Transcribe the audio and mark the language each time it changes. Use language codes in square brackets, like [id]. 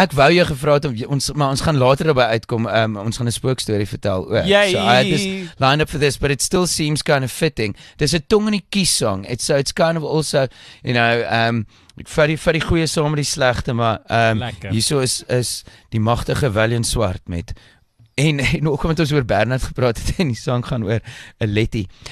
[af] Ek wou jou gevra het, ons gaan later daarby uitkom, ons gaan 'n spookstory vertel ook. Yay. [en] So I had this line up for this, but it still seems kind of fitting. There's a tong in die kies song, it's kind of also, you know, [af] Vir die goeie saam met die slegte, maar hierso is die magtige Willem Swart met en ook omdat ons oor Bernard gepraat het en die sang gaan oor 'n Letty.